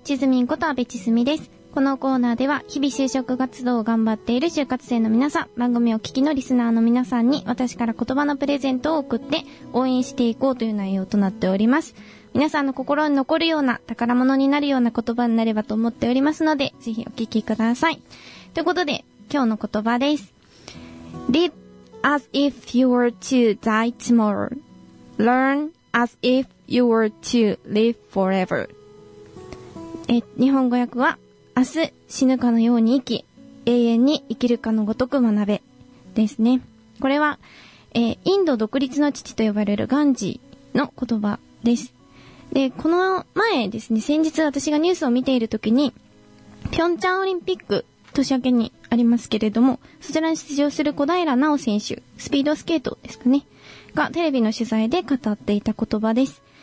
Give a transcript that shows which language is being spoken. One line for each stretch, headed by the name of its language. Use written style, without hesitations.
Japanese: チズミンこと阿部チズミです。このコーナーでは日々就職活動を頑張っている就活生の皆さん、番組を聞きのリスナーの皆さんに私から言葉のプレゼントを送って応援していこうという内容となっております。皆さんの心に残るような宝物になるような言葉になればと思っておりますので、ぜひお聞きください。ということで今日の言葉です。
English: Live as if you were to die tomorrow. Learn as if you were to live forever.
Japanese: 日本語訳は、明日死ぬかのように生き、永遠に生きるかのごとく学べですね。これは、インド独立の父と呼ばれるガンジーの言葉です。で、この前ですね、先日私がニュースを見ているときに、ピョンチャンオリンピック、年明けにありますけれども、そちらに出場する小平奈緒選手、スピードスケートですかね、がテレビの取材で語っていた言葉です。